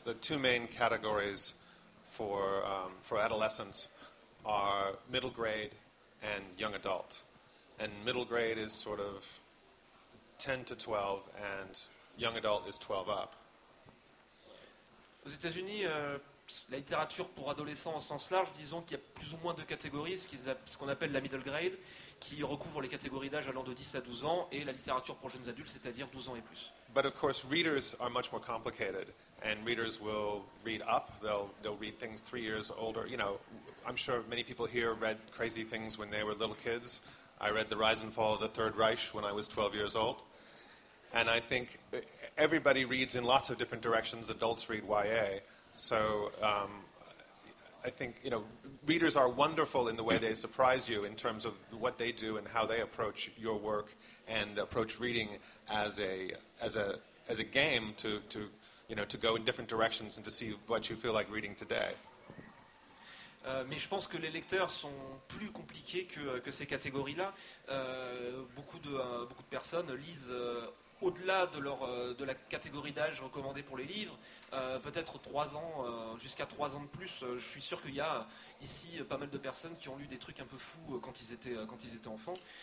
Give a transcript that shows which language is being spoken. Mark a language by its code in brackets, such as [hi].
[en] the two main categories for adolescents are middle grade and young adult. And middle grade is sort of 10 to 12, and young adult is 12 up. [fr] Aux États-Unis, la littérature pour adolescents en sens large, disons qu'il y a plus ou moins deux catégories, ce qu'on appelle la middle grade, qui recouvre les catégories d'âge allant de 10 à 12 ans, et la littérature pour jeunes adultes, c'est-à-dire 12 ans et plus. [en] But of course, readers are much more complicated, and readers will read up. They'll read things 3 years older. You know, I'm sure many people here read crazy things when they were little kids. I read The Rise and Fall of the Third Reich when I was 12 years old. And I think everybody reads in lots of different directions. Adults read YA. So I think, you know, readers are wonderful in the way they surprise you in terms of what they do and how they approach your work and approach reading as a game to you know, to go in different directions and to see what you feel like reading today. [fr] Mais je pense que les lecteurs sont plus compliqués que ces catégories-là. Beaucoup de personnes lisent au-delà de la catégorie d'âge recommandée pour les livres, peut-être 3 ans, jusqu'à 3 ans de plus. Je suis sûr qu'il y a ici pas mal de personnes qui ont lu des trucs un peu fous quand ils étaient enfants.